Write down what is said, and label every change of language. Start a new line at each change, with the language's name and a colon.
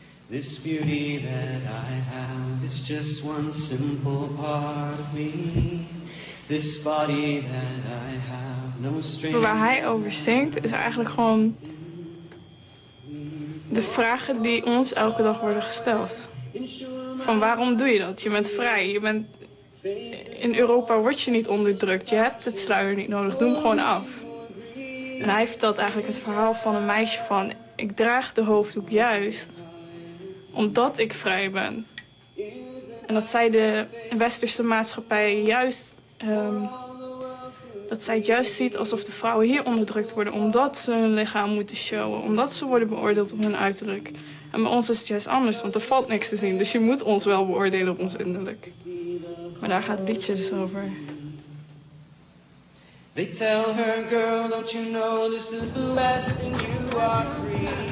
English: This beauty that I have is just one simple part of me. This body that I have, no strength.
Dutch: Waar hij over zingt is eigenlijk gewoon de vragen die ons elke dag worden gesteld. Van waarom doe je dat? Je bent vrij. Je bent in Europa, word je niet onderdrukt. Je hebt het sluier niet nodig. Doe hem gewoon af. En hij vertelt eigenlijk het verhaal van een meisje van, ik draag de hoofddoek juist omdat ik vrij ben. En dat zij de westerse maatschappij juist, dat zij het juist ziet alsof de vrouwen hier onderdrukt worden omdat ze hun lichaam moeten showen, omdat ze worden beoordeeld op hun uiterlijk. En bij ons is het juist anders, want er valt niks te zien, dus je moet ons wel beoordelen op ons innerlijk. Maar daar gaat het liedje dus over.
English: They tell her, girl, don't you know this is the last thing, you are free.